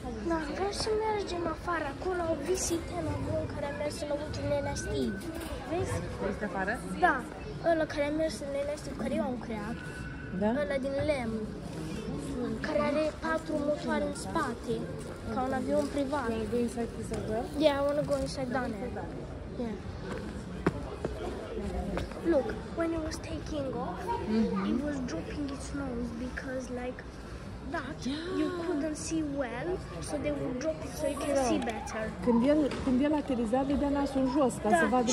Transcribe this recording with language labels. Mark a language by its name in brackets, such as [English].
[Romanian] No, vreau să mergem afară. Acolo au vizite la bun care a mers în ultimele astea. Vezi? Vezi afară? Da. Ăla care a mers în ele astea, care eu am creat. Da? Ăla din lemn. Care are 4 motoare în spate. Ca un avion privat. [English] You want to go inside this as well? Yeah, I want to go inside down there. Look, when it was taking off, it was dropping its nose because like that, you couldn't see well, so they would drop it so you can see better. [Romanian] Când el aterizat, vedea nasul jos ca să vadă